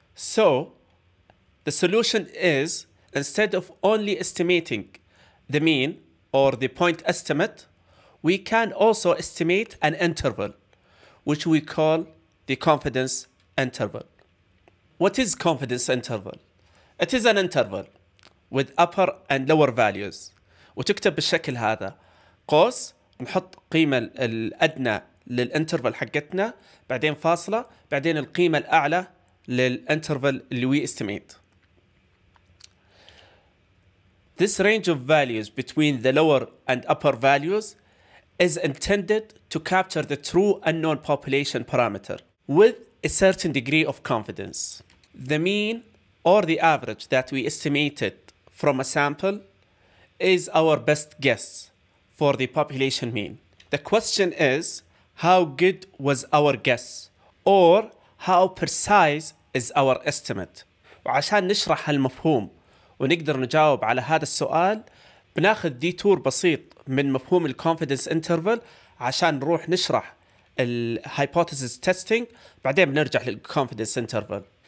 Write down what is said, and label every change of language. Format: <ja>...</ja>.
<en>So the solution is instead of only estimating the mean or the point estimate we can also estimate an interval which we call the confidence interval. What is confidence interval? It is an interval with upper and lower values.</en> <ar>وتكتب بالشكل هذا قوس نحط قيمة الأدنى للانترفل حقتنا بعدين فاصلة بعدين القيمة الأعلى للانترفل اللي</ar> <en>we estimate. This range of values between the lower and upper values is intended to capture the true unknown population parameter with a certain degree of confidence. The mean or the average that we estimated from a sample is our best guess for the population mean. The question is, how good was our guess? Or how precise is our estimate?</en> <ar>وعشان نشرح هالمفهوم ونقدر نجاوب على هذا السؤال بناخذ ديتور بسيط من مفهوم الـ confidence interval عشان نروح نشرح الـ hypothesis testing بعدين بنرجع للـ confidence interval.</ar>